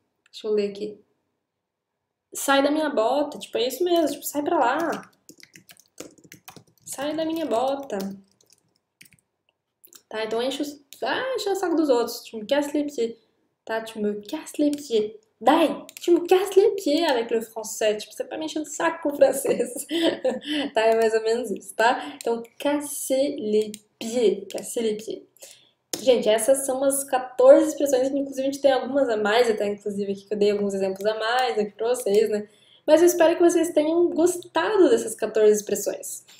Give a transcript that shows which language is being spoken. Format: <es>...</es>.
<pt>Deixa eu ler aqui. Sai da minha bota. Tipo, é isso mesmo. Tipo, sai pra lá. Sai da minha bota. Tá? Então enche o saco dos outros.</pt> <fr>Tu me casses les pieds. Tá? Tu me casses les pieds. Dai, tu me casses les pieds avec le français.</fr> <pt>Tipo, você tá me enchendo o saco com o francês. Tá, é mais ou menos isso, tá?</pt> <fr>Então, casser les pieds. Casser les pieds.</fr> <pt>Gente, essas são umas 14 expressões. Inclusive, a gente tem algumas a mais, até inclusive aqui que eu dei alguns exemplos a mais aqui pra vocês, né? Mas eu espero que vocês tenham gostado dessas 14 expressões.</pt>